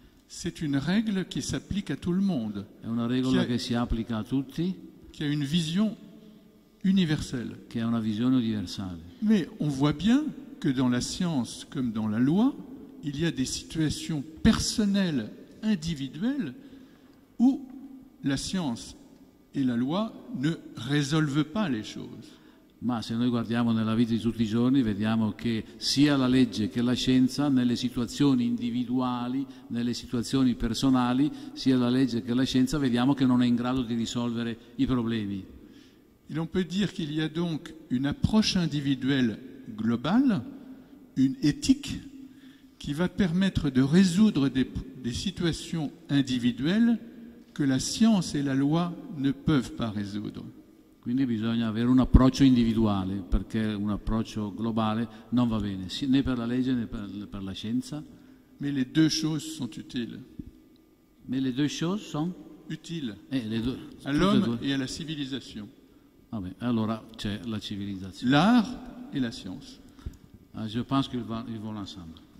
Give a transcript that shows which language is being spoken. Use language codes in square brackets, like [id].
[fr] C'est une règle qui s'applique à tout le monde. [it] È una regola che si applica a tutti. [fr] Qui a une vision universelle. [it] Che ha una visione universale. [fr] Mais on voit bien que dans la science comme dans la loi, il y a des situations personnelles, individuelles, où la science et la loi ne résolvent pas les choses. [it] Ma se noi guardiamo nella vita di tutti i giorni, vediamo che sia la legge che la scienza, nelle situazioni individuali, nelle situazioni personali, sia la legge che la scienza, vediamo che non è in grado di risolvere i problemi. [fr] E on peut dire qu'il y a donc une approche individuelle globale, une éthique, qui va permettre de résoudre des situations individuelles que la science et la loi ne peuvent pas résoudre. [it] Quindi bisogna avere un approccio individuale, perché un approccio globale non va bene, né per la legge né per la scienza. [fr] Mais les deux choses sont utiles. Mais les deux choses sont utiles. Les deux, à l'homme et à la civilisation. [it] Vabbè, allora c'è la civilizzazione. [fr] L'art et la science. Ah, je pense qu'ils vont ensemble.